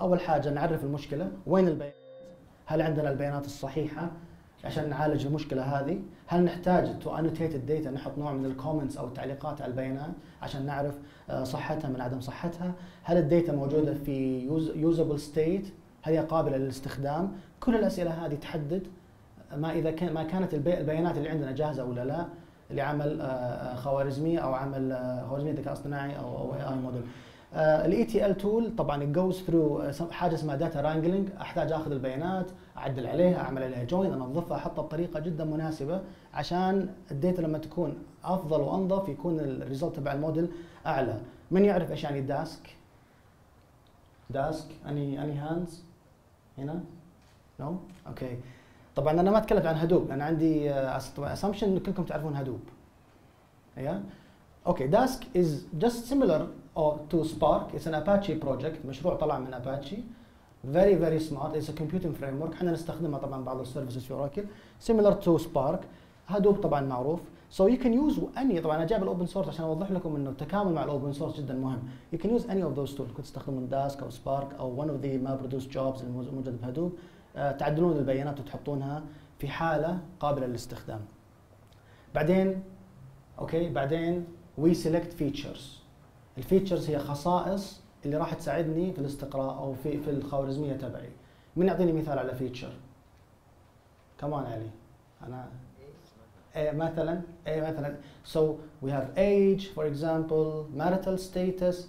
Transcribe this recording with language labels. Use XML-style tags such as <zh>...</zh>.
<ar>اول حاجه نعرف المشكله, وين البيانات, هل عندنا البيانات الصحيحه عشان نعالج المشكله هذه, هل نحتاج</ar> <en>to annotate</en> <ar>الداتا, نحط نوع من الكومنتس او التعليقات على البيانات عشان نعرف صحتها من عدم صحتها, هل الداتا موجوده في</ar> <en>usable state,</en> <ar>هل هي قابلة للاستخدام. كل الأسئلة هذه تحدد ما إذا كان ما كانت البيانات اللي عندنا جاهزة ولا لا لعمل خوارزمية أو عمل خوارزمية ذكاء اصطناعي أو AI model.</ar> <en>الـ ETL tool طبعاً it goes through</en> <ar>حاجة اسمها</ar> <en>data wrangling.</en> <ar>أحتاج أخذ البيانات أعدل عليها, أعمل عليها join, أنظفها, أحطها بطريقة جداً مناسبة عشان الداتا لما تكون أفضل وأنظف يكون الريزولت تبع الموديل أعلى. من يعرف إيش يعني داسك؟ داسك,</ar> <en>any hands</en> <ar>هنا؟</ar> <en>no, okay.</en> <ar>طبعا انا ما تكلمت عن هدوب لان عندي assumption ان كلكم تعرفون هدوب.</ar> <en>Yeah, okay. Dask is just similar to Spark. It's an Apache project,</en> <ar>مشروع طلع من Apache,</ar> <en>very very smart. It's a computing framework,</en> <ar>احنا نستخدمها طبعا بعض السيرفيسز في اوراكل,</ar> <en>similar to Spark.</en> <ar>هدوب طبعا معروف.</ar> <en>So you can use any,</en> <ar>طبعا انا جايب الاوبن سورس عشان اوضح لكم انه التكامل مع الاوبن سورس جدا مهم.</ar> <en>You can use any of those tools.</en> <ar>كنت تستخدمون داسك او سبارك او</ar> <en>one of the mapreduce jobs</en> <ar>الموجودة بهدوب, تعدلون البيانات وتحطونها في حالة قابلة للاستخدام. بعدين اوكي, بعدين</ar> <en>we select features.</en> <ar>الفيتشرز هي خصائص اللي راح تساعدني في الاستقراء او في الخوارزمية تبعي. من يعطيني مثال على فيتشر؟ كمان علي. انا مثلاً</ar> <en>so we have age for example, marital status.</en>